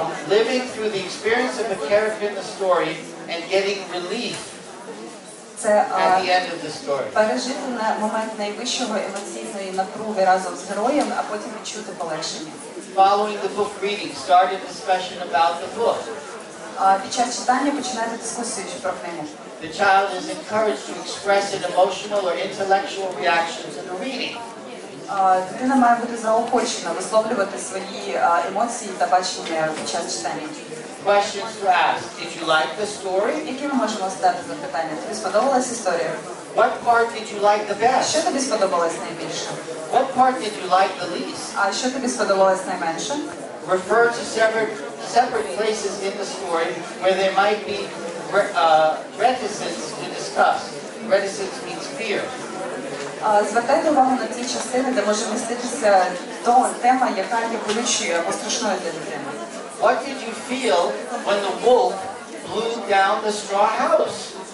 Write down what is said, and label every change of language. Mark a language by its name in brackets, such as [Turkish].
[English] Living through the experience of a character in the story and getting relief at the end of the story. [Ukrainian] Пережити на момент найвищого емоційної напруги разом з героєм, а потім відчути полегшення. [English] Following the book reading, start a discussion about the book. [Ukrainian] Під час читання починати дискусію про книгу. [English] The child is encouraged to express an emotional or intellectual reaction to the reading. [Ukrainian] Дитина має бути заохочена висловлювати свої емоції та бачення під час читання. [English] Questions to ask. Did you like the story? [Ukrainian] Які ми можемо задати запитання? Тобі сподобалась історія? [English] What part did you like the best? [Ukrainian] Що тобі сподобалось найбільше? [English] What part did you like the least? [Ukrainian] А що тобі сподобалось найменше? [English] Refer to separate places in the story where there might be reticence to discuss. Reticence means fear. [Ukrainian] Звертайте увагу на ті частини, де може міститися до тема, яка є болючою або страшною для дитини. [English] What did you feel when the wolf blew down the straw house?